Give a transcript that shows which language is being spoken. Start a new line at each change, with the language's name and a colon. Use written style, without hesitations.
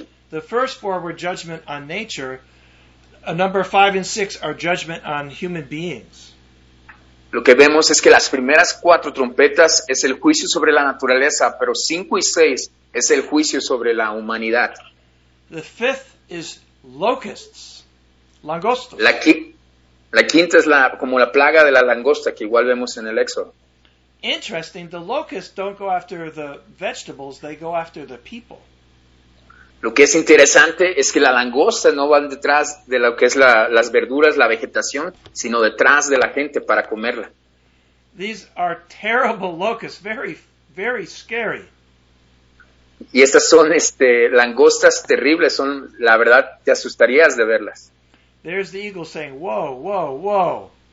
English: The first four were judgment on nature. Number 5 and 6 are judgment on human beings.
Spanish: Lo que vemos es que las primeras cuatro trompetas es el juicio sobre la naturaleza, pero 5 y 6 es el juicio sobre la humanidad.
English: The fifth is locusts, langostos.
Spanish: La quinta es como la plaga de la langosta, que igual vemos en el Éxodo.
English: Interesting, the locusts don't go after the vegetables, they go after the people.
Spanish: Lo que es interesante es que la langosta no va detrás de lo que es las verduras, la vegetación, sino detrás de la gente para comerla.
English: These are terrible locusts, very, very scary.
Spanish: Y estas son langostas terribles, son, la verdad, te asustarías de verlas.
English: There's the eagle saying, whoa, whoa, whoa.